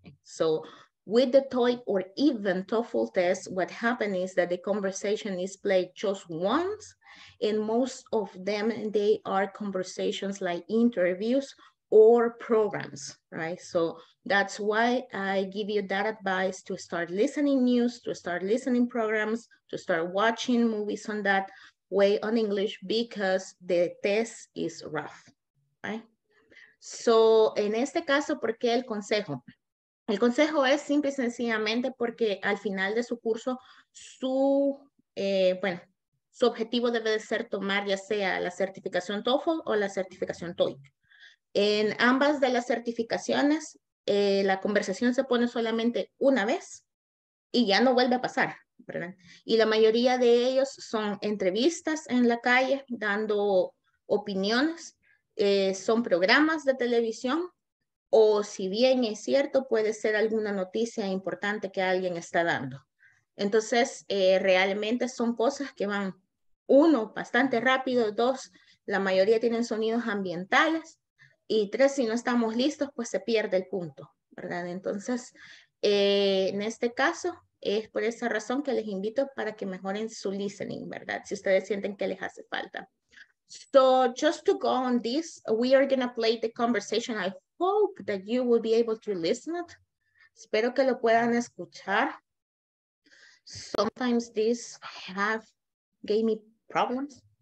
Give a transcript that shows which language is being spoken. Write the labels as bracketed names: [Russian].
[English] So with the TOEIC or even TOEFL test, what happens is that the conversation is played just once, and most of them, they are conversations like interviews or programs, right? So that's why I give you that advice to start listening news, to start listening programs, to start watching movies on that way on English, because the test is rough, right? [Spanish] So, en este caso, ¿por qué el consejo? El consejo es simple y sencillamente porque al final de su curso, su objetivo debe de ser tomar ya sea la certificación TOEFL o la certificación TOEIC. En ambas de las certificaciones, la conversación se pone solamente una vez y ya no vuelve a pasar, ¿verdad? Y la mayoría de ellos son entrevistas en la calle dando opiniones, son programas de televisión o si bien es cierto, puede ser alguna noticia importante que alguien está dando. Entonces, realmente son cosas que van, uno, bastante rápido, dos, la mayoría tienen sonidos ambientales, y tres, si no estamos listos, pues se pierde el punto, ¿verdad? Entonces, en este caso, es por esa razón que les invito para que mejoren su listening, ¿verdad? Si ustedes sienten que les hace falta. [English] So, just to go on this, we are going to play the conversation. I hope that you will be able to listen it. [Spanish] Espero que lo puedan escuchar. [English] Sometimes these have gave me problems.